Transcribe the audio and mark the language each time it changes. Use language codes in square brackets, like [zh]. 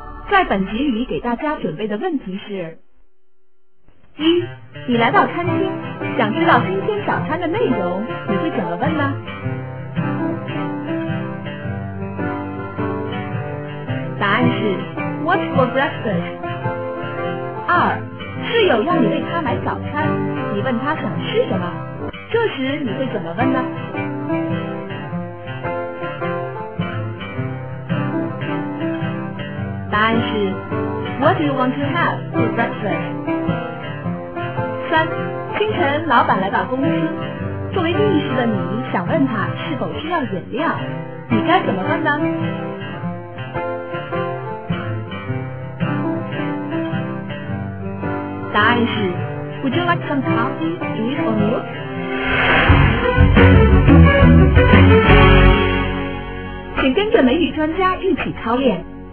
[zh] 在本集里给大家准备的问题是：一，你来到餐厅，想知道今天早餐的内容，你会怎么问呢？答案是 [en] What's for breakfast？ [zh] 二，室友让你为他买早餐，你问他想吃什么，这时你会怎么问呢？答案是 [en] What do you want to have for breakfast？ [zh] 三，清晨老板来到公司，作为律师的你想问他是否需要饮料，你该怎么问呢？答案是 [en] Would you like some coffee, tea or milk？ [zh] 请跟着美语专家一起操练。